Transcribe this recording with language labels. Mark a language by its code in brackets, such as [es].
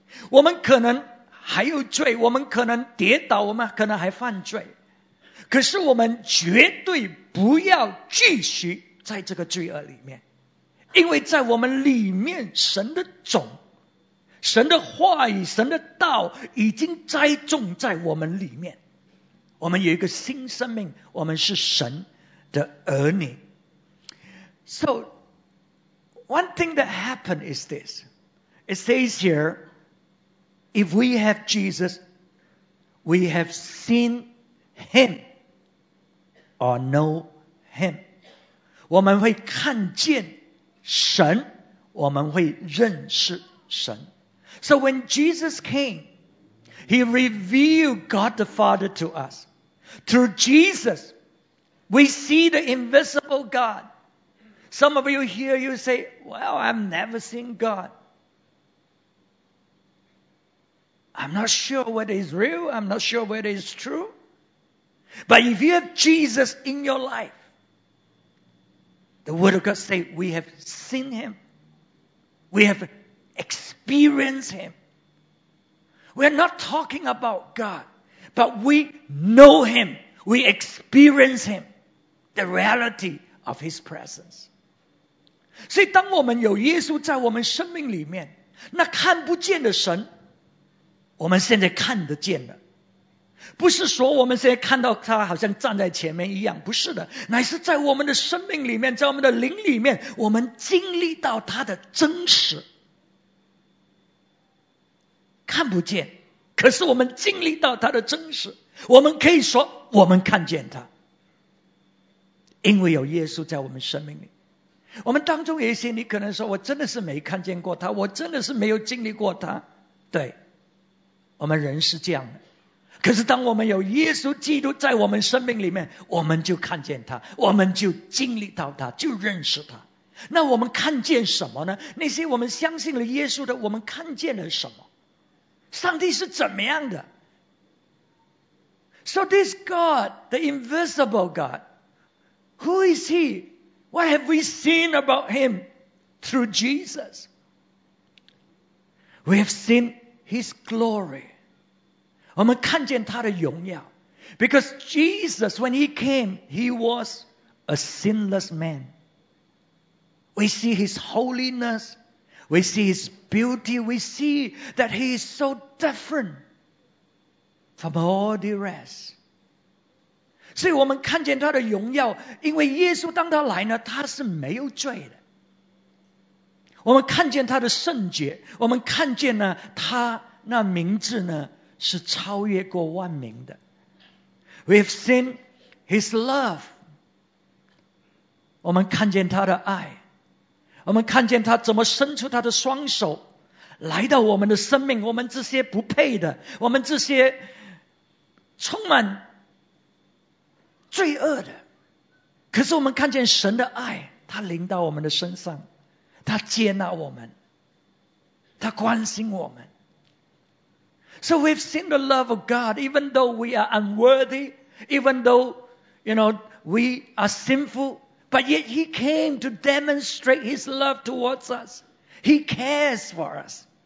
[zh] 我们可能还有罪，我们可能跌倒，我们可能还犯罪，可是我们绝对不要继续在这个罪恶里面，因为在我们里面神的种，神的话语，神的道已经栽种在我们里面，我们有一个新生命，我们是神的儿女。 [en] So one thing that happened is thisIt says here, if we have Jesus, we have seen Him or know Him. [zh] 我们会看见神，我们会认识神。 [en] So when Jesus came, He revealed God the Father to us. Through Jesus, we see the invisible God. Some of you here, you say, well, I've never seen God. I'm not sure whether it's real. I'm not sure whether it's true. But if you have Jesus in your life, the Word of God says we have seen Him. We have experienced Him. We're not talking about God, but we know Him. We experience Him, the reality of His presence. [zh] 所以当我们有耶稣在我们生命里面，那看不见的神，我们现在看得见了。不是说我们现在看到他好像站在前面一样，不是的，乃是在我们的生命里面，在我们的灵里面，我们经历到他的真实。看不见，可是我们经历到他的真实，我们可以说我们看见他，因为有耶稣在我们生命里。我们当中有一些你可能说，我真的是没看见过他，我真的是没有经历过他。对，我们人是这样的，可是当我们有耶稣基督在我们生命里面，我们就看见他，我们就经历到他，就认识他。那我们看见什么呢？那些我们相信了耶稣的，我们看见了什么？上帝是怎么样的？ [en] So this God, the invisible God, who is he? What have we seen about him through Jesus? We have seen his glory. [zh] 我们看见他的荣耀。 [en] Because Jesus, when he came, he was a sinless man. We see his holiness. We see his beauty. We see that he is so different from all the rest. [zh] 所以我们看见他的荣耀，因为耶稣当他来呢，他是没有罪的。我们看见他的圣洁，我们看见呢，他那名字呢，是超越过万民的。 [en] We have seen his love. [zh] 我们看见他的爱，我们看见他怎么伸出他的双手来到我们的生命，我们这些不配的，我们这些充满罪恶的，可是我们看见神的爱，他临到我们的身上，他接纳我们，他关心我们。 [en] So we've seen the love of God, even though we are unworthy, even though, you know, we are sinful, but yet he came to demonstrate his love towards us. He cares for us.